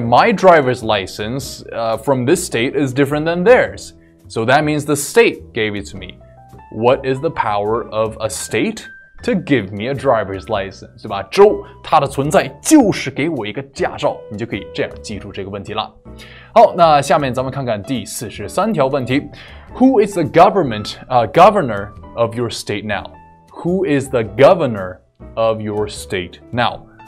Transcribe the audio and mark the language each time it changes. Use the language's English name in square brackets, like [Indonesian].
[English] My driver's license, from this state is different than theirs. So that means the state gave it to me. What is the power of a state to give me a driver's license? [Chinese] 对吧？州它的存在就是给我一个驾照，你就可以这样记住这个问题了。好，那下面咱们看看第43条问题。 [English] Who is the government, governor of your state now? Who is the governor of your state now?